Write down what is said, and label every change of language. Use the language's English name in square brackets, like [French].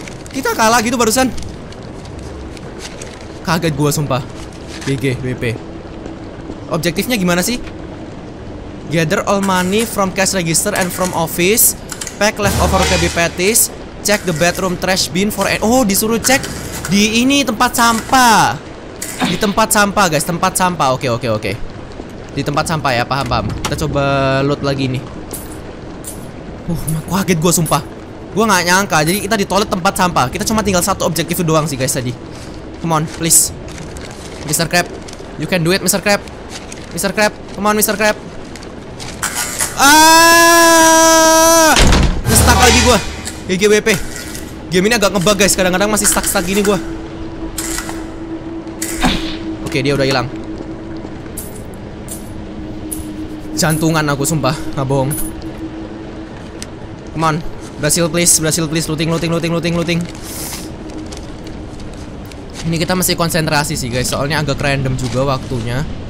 [Indonesian] Kita kalah gitu barusan. Kaget gua sumpah. BG, BP. Objektifnya gimana sih? [English] Gather all money from cash register and from office. Pack leftover cabby patties. Check the bedroom trash bin for... [Indonesian] Oh, disuruh cek di ini tempat sampah. Di tempat sampah guys, tempat sampah. Oke, okay, oke, okay, oke, okay. Di tempat sampah ya, paham, paham. Kita coba loot lagi nih. Kaget gua sumpah. Gua gak nyangka, jadi kita di toilet tempat sampah. Kita cuma tinggal satu objektif doang sih guys tadi. [English] Come on, please. [Indonesian] Mr. [English] Crab, you can do it, Mr. Crab. Mr. Crab, come on, Mr. Crab. [Indonesian] Ah! Nge-stuck lagi gua. GGWP. Game ini agak ngebug guys, kadang-kadang masih stuck-stuck gini gua. Oke, okay, dia udah hilang. Jantungan aku sumpah, enggak bohong. [English] Come on, [Indonesian] berhasil please, looting, looting, looting, looting, looting. Ini kita mesti konsentrasi sih guys, soalnya agak random juga waktunya.